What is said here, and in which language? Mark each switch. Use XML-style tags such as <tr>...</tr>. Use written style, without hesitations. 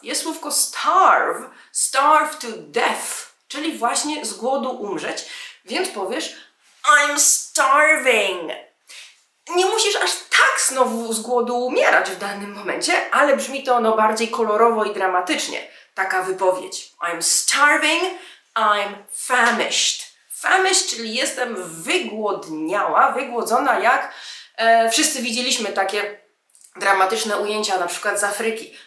<pl>Jest słówko starve,</pl> <en>starve to death,</en> <pl>czyli właśnie z głodu umrzeć, więc powiesz</pl> <en>I'm starving.</en> <pl>Nie musisz aż tak znowu z głodu umierać w danym momencie, ale brzmi to no bardziej kolorowo i dramatycznie. Taka wypowiedź.</pl> <en>I'm starving, I'm famished.</en> <pl>Famished, czyli jestem wygłodniała, wygłodzona jak... wszyscy widzieliśmy takie dramatyczne ujęcia na przykład z Afryki.</pl>